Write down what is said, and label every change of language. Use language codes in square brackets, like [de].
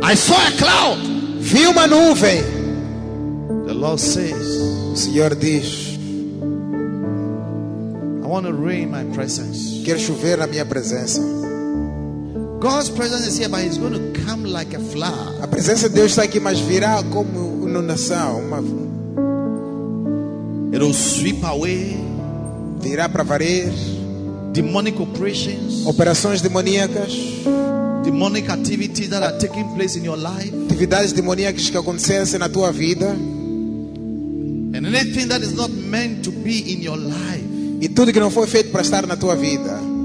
[en] I saw a cloud. [pt] Vi uma nuvem. [en] The Lord says. [pt] O Senhor diz. [en] I want to rain my presence. [pt] Quero chover na minha presença. [en] God's presence is here, but it's going to come like a flower. [pt] A presença de Deus está aqui, mas virá como uma nação. [en] It'll sweep away. [pt] Virá para varrer. [en] Demonic operations. [pt] Operações demoníacas. [en] Demonic activities that are taking place in your life. [pt] Atividades demoníacas que acontecem na tua vida. [en] And anything that is not meant to be in your life. [pt] E tudo que não foi feito para estar na tua vida.